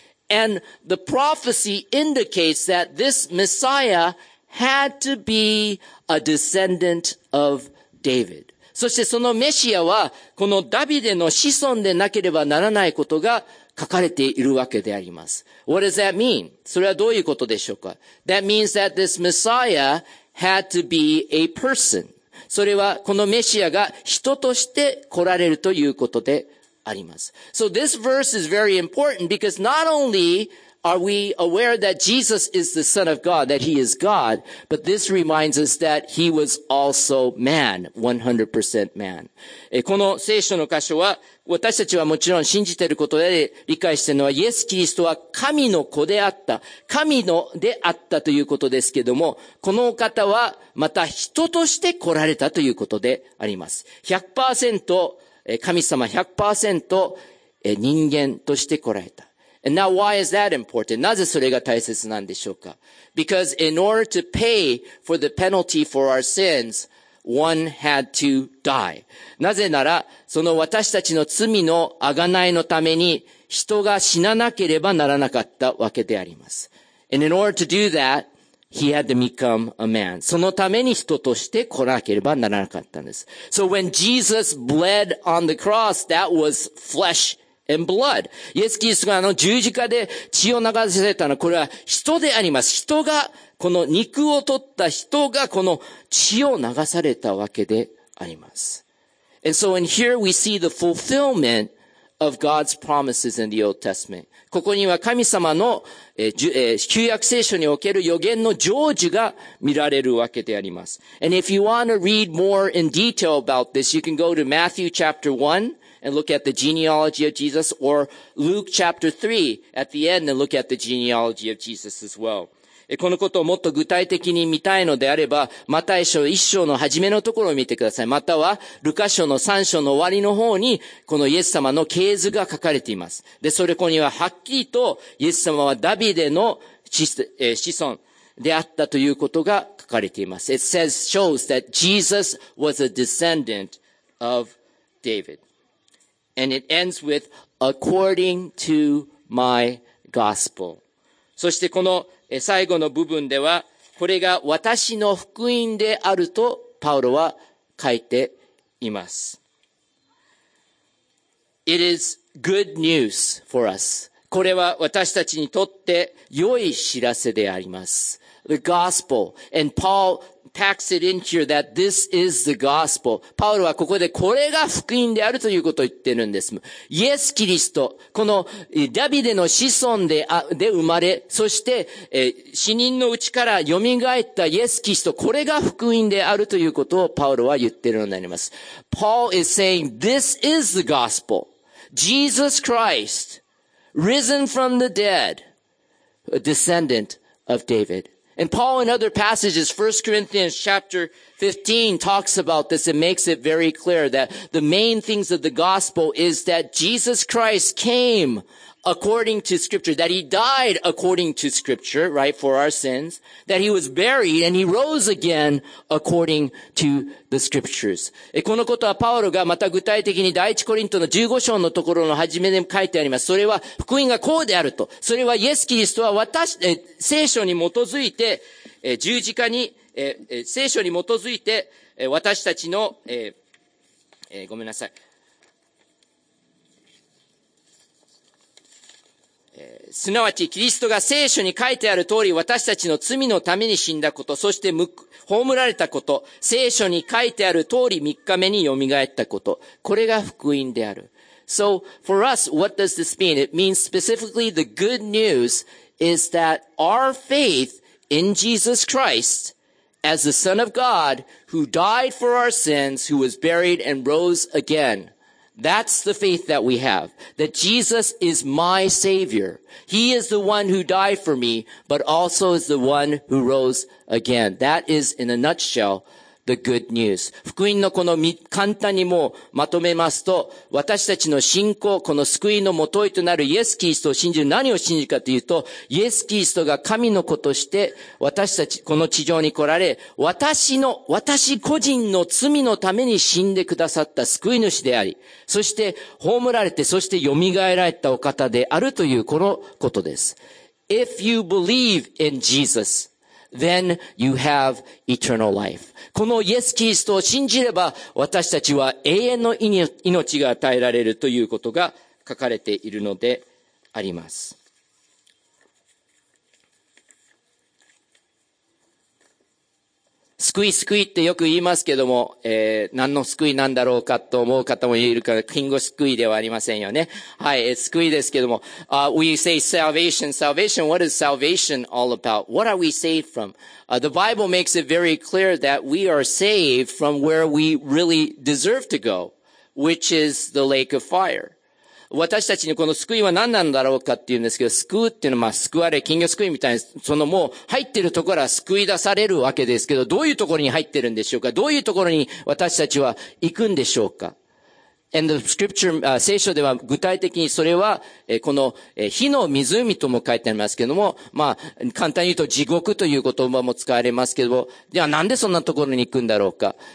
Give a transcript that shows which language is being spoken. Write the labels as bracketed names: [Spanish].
[English] And the prophecy indicates that this Messiah had to be a descendant of David. [Japanese] そしてそのメシアはこのダビデの子孫でなければならないことが書かれているわけであります。 [English] What does that mean? [Japanese] それはどういうことでしょうか? [English] That means that this Messiah had to be a person. [Japanese] それはこのメシアが人として来られるということであります。 [English] So this verse is very important because not only are we aware that Jesus is the Son of God, that He is God, but this reminds us that He was also man, 100% man. [Japanese] この聖書の箇所は私たちはもちろん信じていることで理解しているのは、イエス・キリストは神の子であった、神のであったということですけれども、このお方はまた人として来られたということであります。 100% 神様、100% 人間として来られた。 [English] And now why is that important? [Japanese] なぜそれが大切なんでしょうか? [English] Because in order to pay for the penalty for our sins,One had to die. [Japanese] なぜなら、その私たちの罪の贖いのために、人が死ななければならなかったわけであります。 [English] And in order to do that, he had to become a man. [Japanese] そのために人として来なければならなかったんです。 [English] So when Jesus bled on the cross, that was flesh and blood. [Japanese] イエス・キリストがあの十字架で血を流されたのは、これは人であります。人がこの肉を取った人がこの血を流されたわけであります。 [English] And so in here we see the fulfillment of God's promises in the Old Testament. [Japanese] ここには神様の旧約聖書における予言の成就が見られるわけであります。 [English] And if you want to read more in detail about this, you can go to Matthew chapter 1 and look at the genealogy of Jesus or Luke chapter 3 at the end and look at the genealogy of Jesus as well. [Japanese] このことをもっと具体的に見たいのであれば、マタイ書一章の初めのところを見てください。または、ルカ書の三章の終わりの方に、このイエス様の系図が書かれています。で、それここにははっきりと、イエス様はダビデの子孫であったということが書かれています。 [English] It says, shows that Jesus was a descendant of David. And it ends with, according to my gospel. [Japanese] そしてこの、最後の部分では、これが私の福音であるとパウロは書いています。 [English] It is good news for us. [Japanese] これは私たちにとって良い知らせであります。 [English] The gospel. And Paul packs it in here that this is the gospel. [Japanese] パウロはここでこれが福音であるということを言ってるんです。イエス・キリスト、このダビデの子孫で生まれ、そして死人のうちから蘇ったイエス・キリスト、これが福音であるということをパウロは言ってるのになります。 [English] Paul is saying this is the gospel. Jesus Christ, risen from the dead, a descendant of David. And Paul in other passages, 1 Corinthians chapter 15 talks about this and makes it very clear that the main things of the gospel is that Jesus Christ came according to scripture, that he died according to scripture, right, for our sins, that he was buried and he rose again according to the scriptures. [Japanese] このことはパウロがまた具体的に第一コリントの15章のところの初めで書いてあります。それは福音がこうであると。それはイエス・キリストは私、聖書に基づいて、十字架に、聖書に基づいて、私たちの、ごめんなさい。すなわちキリストが聖書に書いてある通り私たちの罪のために死んだことそして葬られたこと聖書に書いてある通り3日目によみがえったことこれが福音である [English] So for us, what does this mean? It means specifically the good news is that our faith in Jesus Christ as the Son of God who died for our sins, who was buried and rose againThat's the faith that we have. That Jesus is my savior. He is the one who died for me, but also is the one who rose again. That is, in a nutshell, the good news. [Japanese] 福音のこの簡単にもうまとめますと、私たちの信仰、この救いのもといとなるイエス・キリストを信じる、何を信じるかというと、イエス・キリストが神の子として、私たち、この地上に来られ、私個人の罪のために死んでくださった救い主であり、そして、葬られて、そして蘇られたお方であるという、このことです。 [English] If you believe in Jesus, then you have eternal life. [Japanese] このイエス・キリストを信じれば私たちは永遠の命が与えられるということが書かれているのであります。救救い救いってよく言いますけども、何の救いなんだろうかと思う方もいるから、金語救いではありませんよね。はい、救いですけども、 [English] we say salvation, salvation, what is salvation all about? What are we saved from? The Bible makes it very clear that we are saved from where we really deserve to go, which is the lake of fire. [Japanese] 私たちにこの救いは何なんだろうかっていうんですけど、救うっていうのはまあ救われ、金魚救いみたいな、そのもう入ってるところは救い出されるわけですけど、どういうところに入ってるんでしょうか？どういうところに私たちは行くんでしょうか？ [English] And the scripture, [Japanese] 聖書では具体的にそれは、この火の湖とも書いてありますけども、まあ、簡単に言うと地獄という言葉も使われますけども、ではなんでそんなところに行くんだろうか？